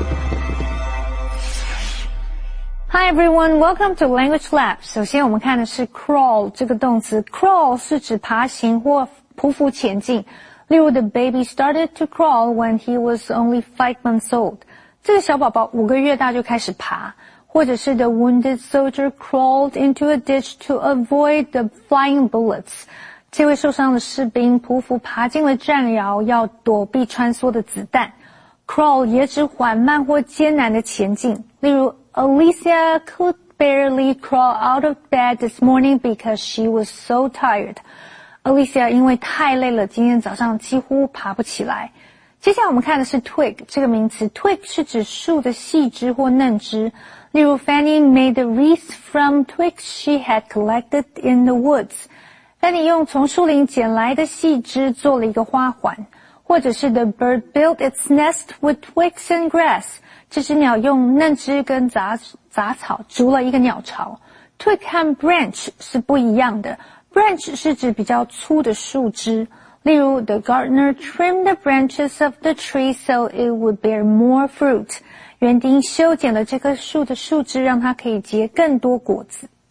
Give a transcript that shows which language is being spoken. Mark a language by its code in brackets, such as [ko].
[en] Hi everyone, welcome to Language Lab. [zh] 首先我们看的是 crawl 这个动词。Crawl 是指爬行或匍匐前进。例如 [en] the baby started to crawl when he was only 5 months old. [zh] 这个小宝宝五个月大就开始爬。或者是 [en] the wounded soldier crawled into a ditch to avoid the flying bullets. [zh] 这位受伤的士兵匍匐爬进了战壕要躲避穿梭的子弹。 Crawl 也指缓慢或艰难的前进。例如 [en] Alicia could barely crawl out of bed this morning because she was so tired. [zh] Alicia 因为太累了今天早上几乎爬不起来。接下来我们看的是 twig, 这个名词 twig 是指树的细枝或嫩枝。例如 [en] Fanny made the wreath from twigs she had collected in the woods. [zh] Fanny 用从树林捡来的细枝做了一个花环。或者是 [en] the bird built its nest with twigs and grass. [zh] 这只鸟用嫩枝跟 杂草筑了一个鸟巢。 Twig 和 branch 是不一样的。Branch 是指比较粗的树枝。例如 [en] ,the gardener trimmed the branches of the tree so it would bear more fruit. [zh] 园丁修剪了这棵树的树枝让它可以结更多果子。